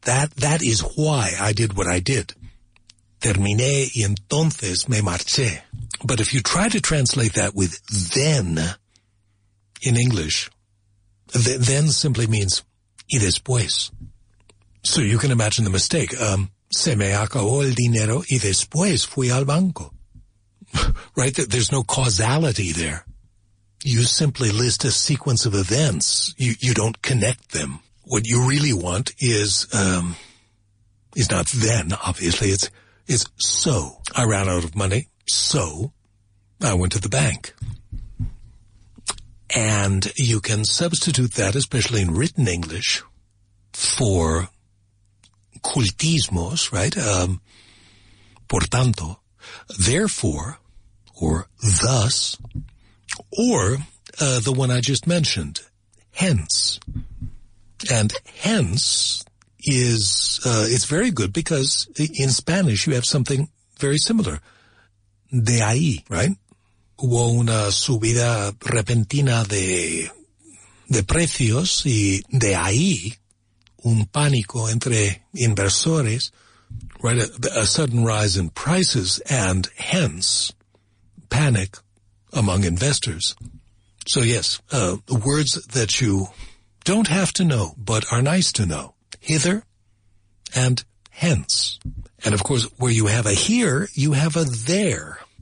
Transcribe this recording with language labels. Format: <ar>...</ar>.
<en>That is why I did what I did.</en> <es>Terminé y entonces me marché.</es> <en>But if you try to translate that with then in English, then simply means</en> <es>y después.</es> <en>So you can imagine the mistake.</en> <es>Se me acabó el dinero y después fui al banco.</es> <en>Right? There's no causality there. You simply list a sequence of events. You don't connect them. What you really want is not then, obviously. It's so. I ran out of money, so I went to the bank. And you can substitute that, especially in written English, for cultismos, right?</en> <es>Por tanto,</es> <en>therefore, or thus, or the one I just mentioned, hence. And hence is, it's very good because in Spanish you have something very similar.</en> <es>De ahí,</es> <en>right?</en> <es>Hubo una subida repentina de precios y de ahí un pánico entre inversores,</es> <en>right? A sudden rise in prices and hence panic among investors. So yes, words that you don't have to know, but are nice to know. Hither and hence. And of course, where you have a here, you have a there.</en>